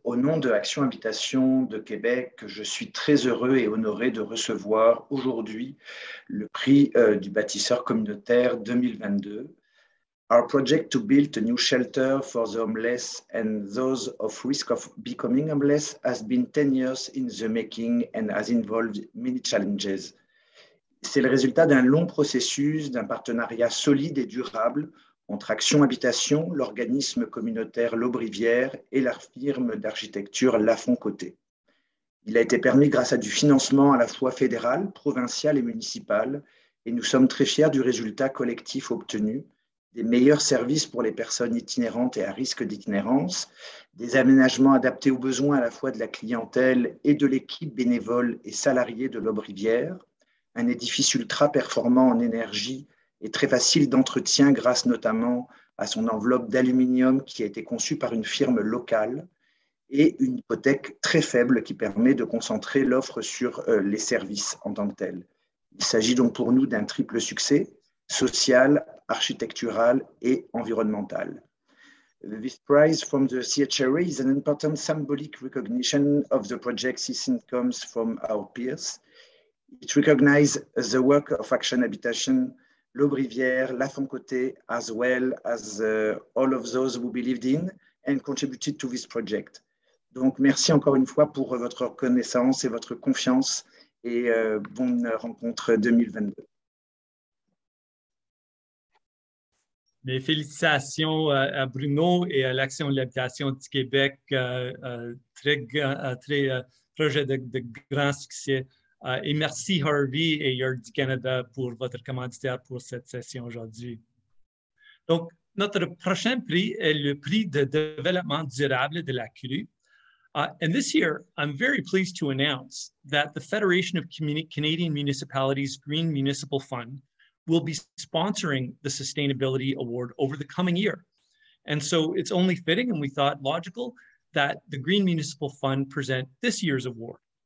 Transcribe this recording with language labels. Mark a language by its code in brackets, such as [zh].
[fr] Au nom de Action Habitation de Québec, je suis très heureux et honoré de recevoir aujourd'hui le prix du bâtisseur communautaire 2022. [en] Our project to build a new shelter for the homeless and those of risk of becoming homeless has been 10 years in the making and has involved many challenges. [fr] C'est le résultat d'un long processus, d'un partenariat solide et durable entre Action Habitation, l'organisme communautaire Lobrivière et la firme d'architecture Lafond Côté. Il a été permis grâce à du financement à la fois fédéral, provincial et municipal, et nous sommes très fiers du résultat collectif obtenu, des meilleurs services pour les personnes itinérantes et à risque d'itinérance, des aménagements adaptés aux besoins à la fois de la clientèle et de l'équipe bénévole et salariée de Lobrivière, un édifice ultra performant en énergie et très facile d'entretien grâce notamment à son enveloppe d'aluminium qui a été conçue par une firme locale et une hypothèque très faible qui permet de concentrer l'offre sur les services en tant que tels. Il s'agit donc pour nous d'un triple succès, social, architectural et environnemental. [en] This prize from the CHRA is an important symbolic recognition of the project's incomes from our peers. It recognizes the work of Action Habitation, L'Aube Rivière, La Foncôté, as well as all of those who believed in and contributed to this project. [fr] Donc, merci encore une fois pour votre reconnaissance et votre confiance et bonne rencontre 2022. Mes félicitations à Bruno et à l'Action de l'habitation du Québec. Très projet de grand succès. Et merci Harvey et Yard du Canada pour votre commanditaire pour cette session aujourd'hui. Donc, notre prochain prix est le prix de développement durable de la CRU. [en] And this year, I'm very pleased to announce that the Federation of Canadian Municipalities Green Municipal Fund will be sponsoring the Sustainability Award over the coming year. And so it's only fitting, and we thought logical, that the Green Municipal Fund present this year's award.